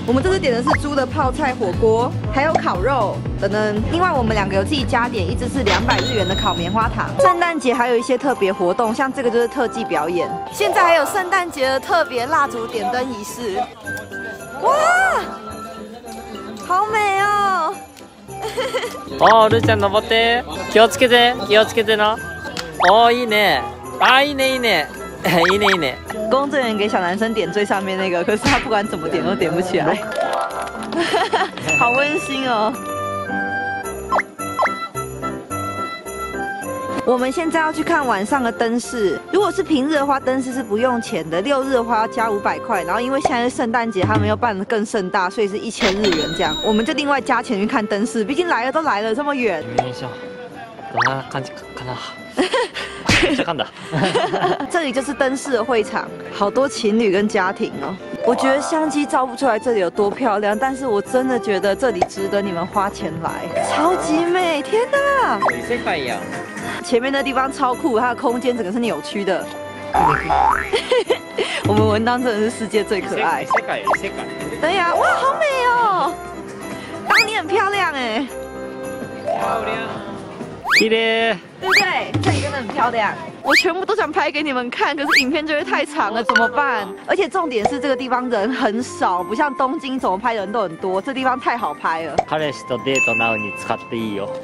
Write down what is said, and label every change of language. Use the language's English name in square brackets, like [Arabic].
[Chinese] 我们这次点的是猪的泡菜火锅，还有烤肉等等。另外我们两个有自己加点，一只是200日元的烤棉花糖。圣诞节还有一些特别活动，像这个就是特技表演。现在还有圣诞节的特别蜡烛点灯仪式，哇，好美哦！ [Japanese] 哦，ルちゃん登って、気をつけて、気をつけてな。哦，いいね。啊，いいねいいね，いいねいいね。 [Chinese] 工作人员给小男生点最上面那个，可是他不管怎么点都点不起来，好温馨哦。我们现在要去看晚上的灯饰，如果是平日的话，灯饰是不用钱的，六日的话要加500块，然后因为现在是圣诞节，他们又办得更盛大，所以是1000日元这样，我们就另外加钱去看灯饰，毕竟来了都来了这么远。有点像， [Japanese] どんな感じかな。 [Chinese] 这里就是灯饰的会场，好多情侣跟家庭哦。我觉得相机照不出来这里有多漂亮，但是我真的觉得这里值得你们花钱来，超级美！天哪，世界呀！前面的地方超酷，它的空间整个是扭曲的。我们文章真的是世界最可爱。世界，世界。对呀，哇，好美哦！当你很漂亮哎。漂亮。对的。对不对？这里真的很漂亮。我全部都想拍给你们看，可是影片就会太长了，怎么办？而且重点是这个地方人很少，不像东京怎么拍人都很多，这地方太好拍了。 [Japanese] 彼氏とデートなのに使っていいよ。